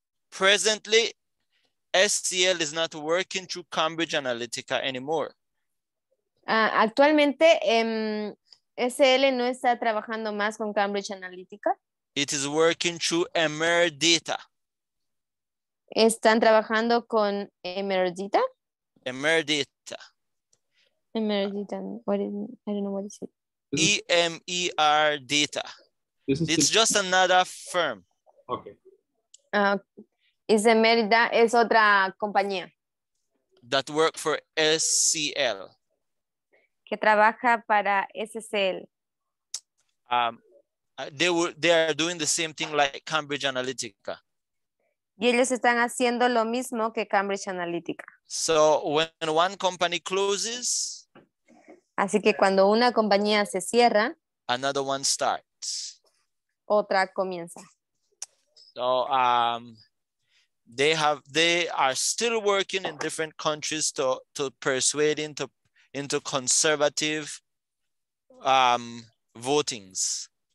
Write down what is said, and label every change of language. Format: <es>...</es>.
<en>Presently, SCL is not working through Cambridge Analytica anymore.</en> <es>Actualmente, SCL no está trabajando más con Cambridge Analytica.</es> <en>It is working through MR data.</en> <es>¿Están trabajando con MR data?</es> <en>MR data. MR data. What is, I don't know what is it. EMER data. It's just another firm. Okay.</en> <es>Is Emerita es otra compañía.</es> <en>That work for SCL.</en> <es>Que trabaja para SCL.</es> <en>They are doing the same thing like Cambridge Analytica.</en> <es>Y ellos están haciendo lo mismo que Cambridge Analytica.</es> <en>So when one company closes,</en> <es>así que cuando una compañía se cierra,</es> <en>another one starts.</en> <es>Otra comienza.</es> <en>So they are still working in different countries to persuade into conservative votings.</en>